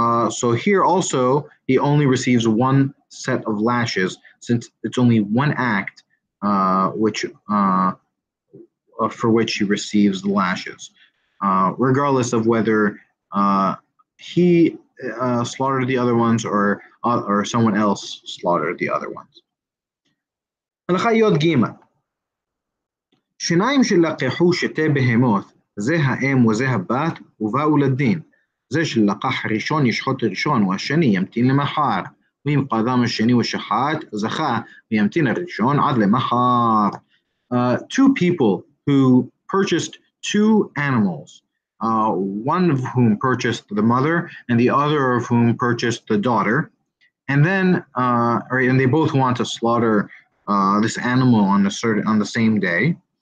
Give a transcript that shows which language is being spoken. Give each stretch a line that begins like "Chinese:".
English: So here also, he only receives one set of lashes, since it's only one act for which he receives the lashes, regardless of whether he slaughtered the other ones or someone else slaughtered the other ones.
Hebrew: הלכה יוד ג' שניים שלקחו שתי בהמות, זה האם וזה הבת, ובאו לדין. זה שלקח ראשון ישחוט ראשון, והשני ימתין למחר. ואם קדם השני ושחט, זכה וימתין הראשון עד למחר.
English: Two people who purchased two animals, one of whom purchased the mother, and the other of whom purchased the daughter, and they both want to slaughter this animal on the same day.